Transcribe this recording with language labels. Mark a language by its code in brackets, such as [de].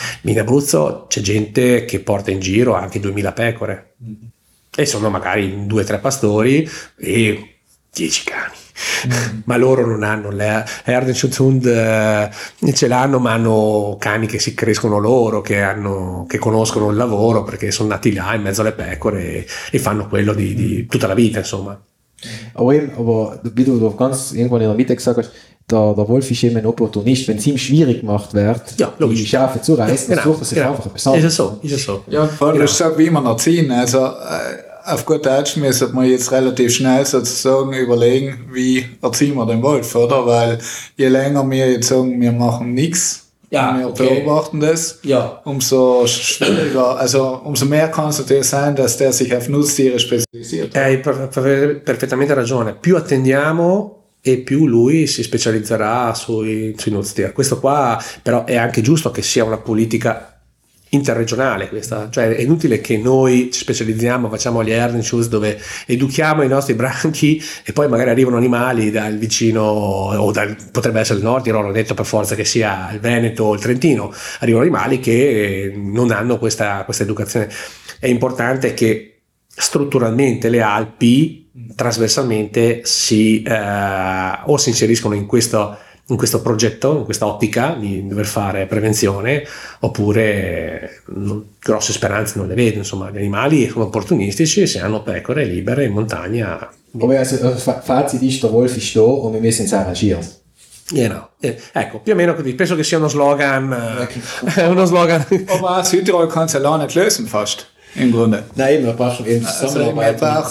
[it] In Abruzzo c'è gente che porta in giro anche 2000 pecore. E sono magari due o tre pastori e 10 cani. Ma loro non hanno l' [de] herde Schutzhund, [it] ce l'hanno, ma hanno cani che si crescono loro, che conoscono il lavoro, perché sono nati là in mezzo alle pecore e fanno quello di tutta la vita, insomma. [de] Aber wie du ganz irgendwann in der Mitte gesagt hast, der Wolf ist eben ein Opportunist, wenn es ihm schwierig gemacht wird, ja, logisch, die Schafe zu reißen, genau, sucht er sich einfach besonders. Ist es so, ist es so. Ja, vor allem ist es auch wie man erziehen. Also auf gut Deutsch müsste man jetzt relativ schnell sozusagen überlegen, wie erziehen wir den Wolf, oder? Weil je länger wir jetzt sagen, wir machen nichts, ja, wir beobachten das, ja, umso schwieriger, also umso mehr kann es natürlich sein, dass der sich auf Nutztiere spezialisiert. [it] Hai perfettamente ragione. Più attendiamo e più lui si specializzerà sui nutztiere. Questo qua però è anche giusto che sia una politica interregionale questa, cioè è inutile che noi ci specializziamo, facciamo gli herding shows dove educhiamo i nostri branchi e poi magari arrivano animali dal vicino, o dal, potrebbe essere il nord, io non ho detto per forza che sia il Veneto o il Trentino, arrivano animali che non hanno questa educazione. È importante che strutturalmente le Alpi trasversalmente si inseriscono in questo progetto, in questa ottica di dover fare prevenzione, oppure grosse speranze non le vedo, insomma, gli animali sono opportunistici, se hanno pecore libere in montagna. [de] Vabbè, Fazit ist, der Wolf ist da und wir müssen uns arrangieren. Genau. [it] Ecco, più o meno così, penso che sia uno slogan. Uno slogan. [de] Ma Südtirol kann es allein nicht lösen, fast. Im Grunde. Nein, wir brauchen eben Zusammenarbeit.